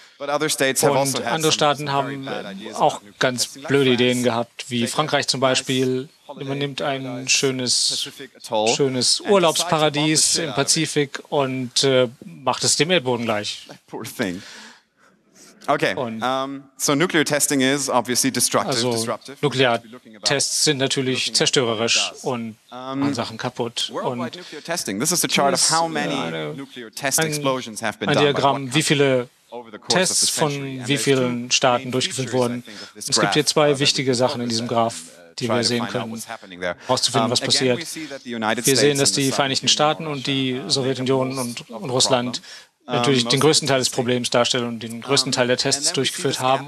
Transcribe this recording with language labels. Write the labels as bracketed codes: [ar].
[de] Und andere Staaten haben auch ganz blöde Ideen gehabt, wie Frankreich zum Beispiel. Man nimmt ein schönes Urlaubsparadies im Pazifik und macht es dem Erdboden gleich. [en] Poor thing. Okay. So nuclear testing is obviously destructive. [de] Also nukleare Tests sind natürlich zerstörerisch und machen Sachen kaputt. Und [en] this is a chart of how many nuclear test explosions have been done. [de] Ein Diagramm, wie viele Tests von wie vielen Staaten durchgeführt wurden. Es gibt hier zwei wichtige Sachen in diesem Graph, die wir sehen können, herauszufinden, was passiert. Wir sehen, dass die Vereinigten Staaten und die Sowjetunion und Russland natürlich den größten Teil des Problems darstellen und den größten Teil der Tests durchgeführt haben.